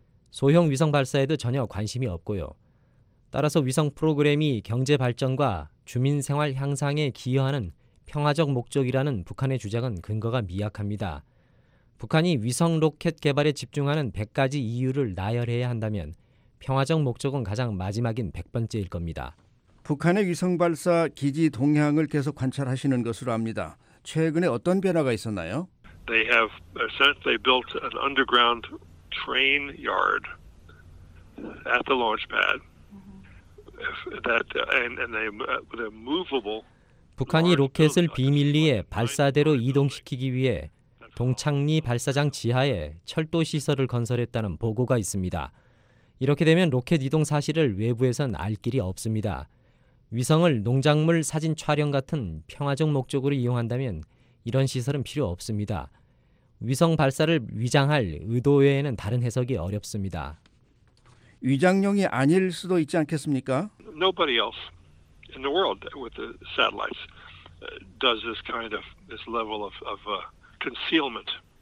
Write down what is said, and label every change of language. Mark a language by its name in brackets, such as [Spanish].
[Korean] 소형 위성 발사에도 전혀 관심이 없고요. 따라서 위성 프로그램이 경제 발전과 주민 생활 향상에 기여하는 평화적 목적이라는 북한의 주장은 근거가 미약합니다. 북한이 위성 로켓 개발에 집중하는 100가지 이유를 나열해야 한다면 평화적 목적은 가장 마지막인 100번째일 겁니다. 북한의 위성 발사 기지 동향을 계속 관찰하시는 것으로 압니다. 최근에 어떤 변화가 있었나요? [English] They have essentially built an underground train yard at the launch pad. That and they a movable. [Korean] 북한이 로켓을 비밀리에 발사대로 이동시키기 위해 동창리 발사장 지하에 철도 시설을 건설했다는 보고가 있습니다. 이렇게 되면 로켓 이동 사실을 외부에선 알 길이 없습니다. 위성을 농작물 사진 촬영 같은 평화적 목적으로 이용한다면 이런 시설은 필요 없습니다. 위성 발사를 위장할 의도 외에는 다른 해석이 어렵습니다. 위장용이 아닐 수도 있지 않겠습니까? [English] Nobody else in the world with the satellites does this kind of this level of concealment.